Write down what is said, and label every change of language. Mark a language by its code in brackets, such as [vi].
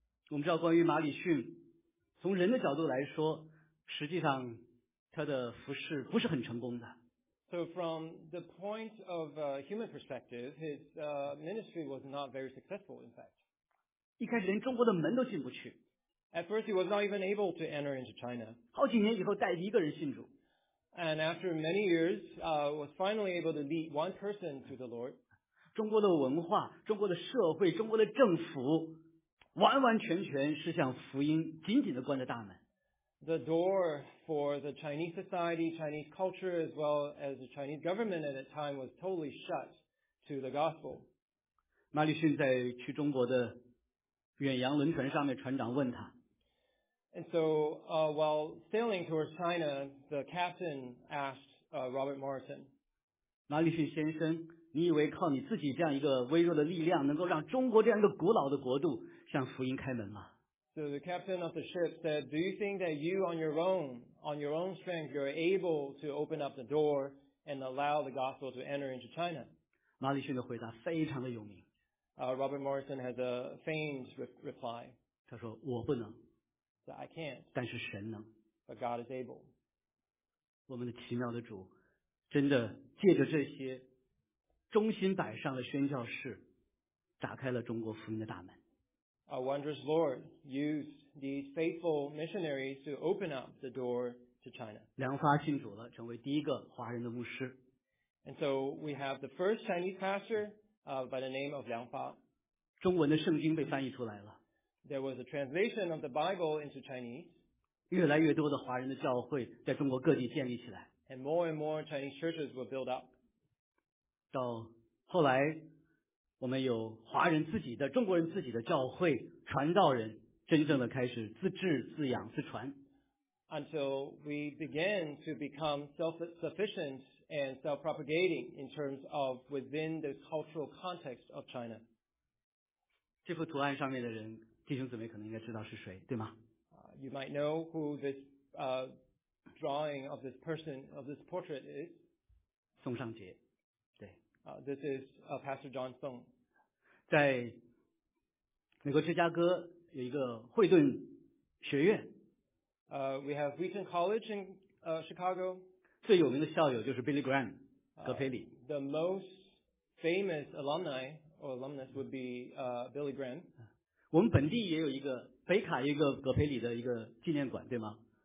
[zh] 我们知道关于马礼逊，从人的角度来说，实际上他的服事不是很成功的。 [en] So from the point of a human perspective, his ministry was not very successful, in fact. [zh] 一开始连中国的门都进不去。 [en] At first, he was not even able to enter into China. [zh] 好几年以后带一个人信主。 [en] And after many years, was finally able to lead one person to the Lord. [zh] 中国的文化，中国的社会，中国的政府完完全全是向福音紧紧地关着大门。 [en] The door for the Chinese society, Chinese culture, as well as the Chinese government at that time was totally shut to the gospel. [zh] 马礼逊在去中国的远洋轮船上面船长问他。 [en] And so, while sailing towards China, the captain asked, Robert Morrison, [zh] 马里逊先生，你以为靠你自己这样一个微弱的力量能够让中国这样一个古老的国度向福音开门吗？ [en] So the captain of the ship said, do you think that you on your own strength, you're able to open up the door and allow the gospel to enter into China? [zh] 马里逊的回答非常的有名。 [en] Robert Morrison has a famed reply. [zh] 他说，我不能。 [en] That I can't, [zh] 但是神能。 [en] But God is able. [zh] 我们的奇妙的主真的借着这些忠心摆上的宣教士打开了中国福音的大门。 [en] Our wondrous Lord used these faithful missionaries to open up the door to China. [zh] 梁发信主了，成为第一个华人的牧师。 [en] And so we have the first Chinese pastor, by the name of Liang Fa. [zh] 中文的圣经被翻译出来了。 [en] There was a translation of the Bible into Chinese. [zh] 越来越多的华人的教会在中国各地建立起来。 [en] And more and more Chinese churches were built up. [zh] 到后来，我们有华人自己的、中国人自己的教会，传道人真正的开始自治、自养、自传。 [en] Until we began to become self-sufficient and self-propagating in terms of within the cultural context of China. [zh] 这幅图案上面的人。弟兄姊妹可能应该知道是谁，对吗？ [en] You might know who this drawing of this person of this portrait is. [zh] 宋尚杰，对。 [en] This is Pastor John Song. [zh] 在美国芝加哥有一个惠顿学院。 [en] We have Wheaton College in Chicago. [zh] 最有名的校友就是 Billy Graham， 格培里。 [en] The most famous alumni or alumnus would be Billy Graham. [zh] 我们本地也有一个北卡，一个格培里的一个纪念馆，对吗